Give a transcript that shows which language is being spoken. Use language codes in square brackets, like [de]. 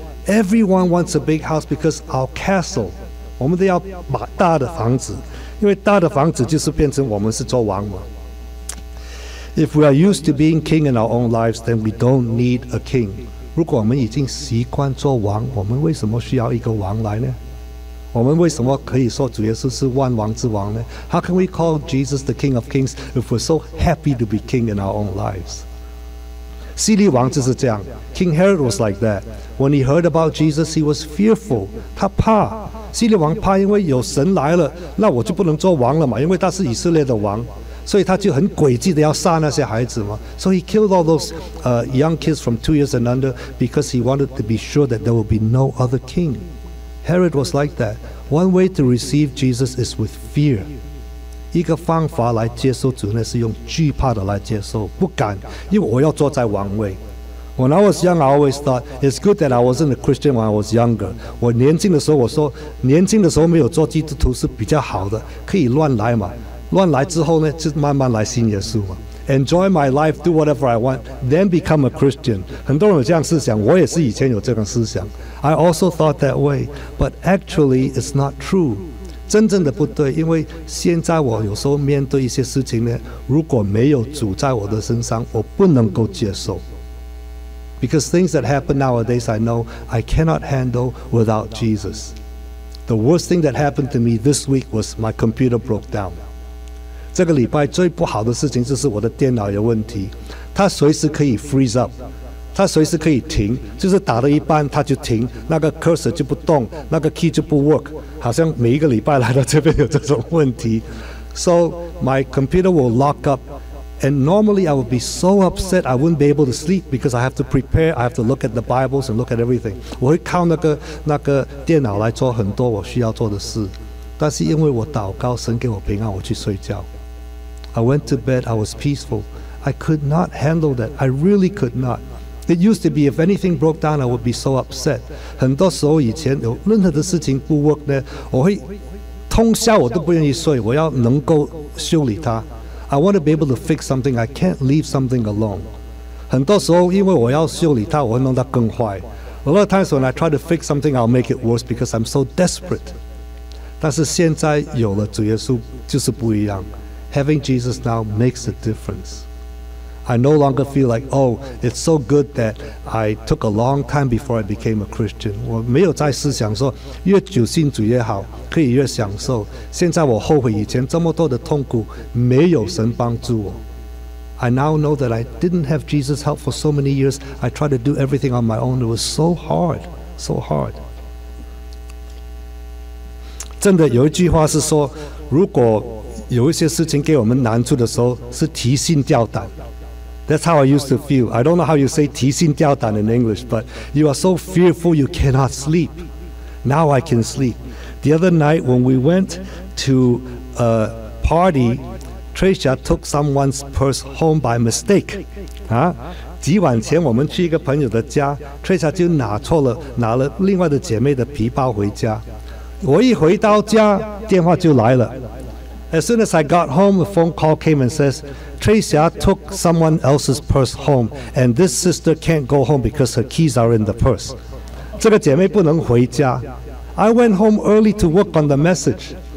[en] Everyone wants a big house because our castle, [zh] 我们都要买大的房子。因为大的房子就是变成我们是做王嘛。 [en] If we are used to being king in our own lives, then we don't need a king. [zh] 如果我们已经习惯做王，我们为什么需要一个王来呢？我们为什么可以说主耶稣是万王之王呢？ [en] How can we call Jesus the King of Kings if we're so happy to be king in our own lives? [zh] 希律王就是这样。 [en] King Herod was like that. When he heard about Jesus, he was fearful. [zh] 他怕。希律王怕，因为有神来了，那我就不能做王了嘛，因为他是以色列的王，所以他就很诡计的要杀那些孩子嘛。 [en] So he killed all those young kids from 2 years and under because he wanted to be sure that there will be no other king. Herod was like that. One way to receive Jesus is with fear. [zh] 一个方法来接受主呢，是用惧怕的来接受，不敢，因为我要坐在王位。 [en] When I was young, I always thought it's good that I wasn't a Christian when I was younger. [zh] 我年轻的时候，我说年轻的时候没有做基督徒是比较好的，可以乱来嘛。乱来之后呢，就慢慢来信耶稣嘛。 [en] Enjoy my life, do whatever I want, then become a Christian. [zh] 很多人有这样思想，我也是以前有这种思想。 [en] I also thought that way, but actually, it's not true. [zh] 真正的不对，因为现在我有时候面对一些事情呢，如果没有主在我的身上，我不能够接受。 [en] Because things that happen nowadays, I know I cannot handle without Jesus. The worst thing that happened to me this week was my computer broke down. [zh] 这个礼拜最不好的事情就是我的电脑有问题。它随时可以 [en] freeze up， [zh] 它随时可以停，就是打到一半它就停，那个 cursor 就不动，那个 key 就不 work。好像每一个礼拜来到这边有这种问题。 [en] So my computer will lock up. And normally I would be so upset I wouldn't be able to sleep because I have to prepare, I have to look at the Bibles and look at everything. [zh] 我会靠那个电脑来做很多我需要做的事，但是因为我祷告，神给我平安，我去睡觉。 [en] I went to bed, I was peaceful. I could not handle that. I really could not. It used to be if anything broke down, I would be so upset. [zh] 很多时候以前有任何的事情不 work 呢，我会通宵我都不愿意睡，我要能够修理它。 [en] I want to be able to fix something. I can't leave something alone. [zh] 很多时候因为我要修理它，我会弄它更坏。 [en] A lot of times when I try to fix something, I'll make it worse because I'm so desperate. [zh] 但是现在有了主耶稣就是不一样。 [en] Having Jesus now makes a difference. I no longer feel like, oh, it's so good that I took a long time before I became a Christian. [zh] 我没有再思想说越久信主越好。可以越享受。现在我后悔以前这么多的痛苦，没有神帮助我。 [en] I now know that I didn't have Jesus' help for so many years. I tried to do everything on my own. It was so hard, so hard. [zh] 真的有一句话是说，如果有一些事情给我们难处的时候，是提心吊胆。 [en] That's how I used to feel. I don't know how you say 提心吊胆 in English, but you are so fearful you cannot sleep. Now I can sleep. The other night when we went to a party, Tracia took someone's purse home by mistake. Huh? [zh] 几晚前我们去一个朋友的家, Tracia 就拿了另外的姐妹的皮包回家。我一回到家, 电话就来了。 [en] As soon as I got home, a phone call came and says, Tracia took someone else's purse home, and this sister can't go home because her keys are in the purse. [zh] 这个姐妹不能回家。 [en] I went home early to work on the message.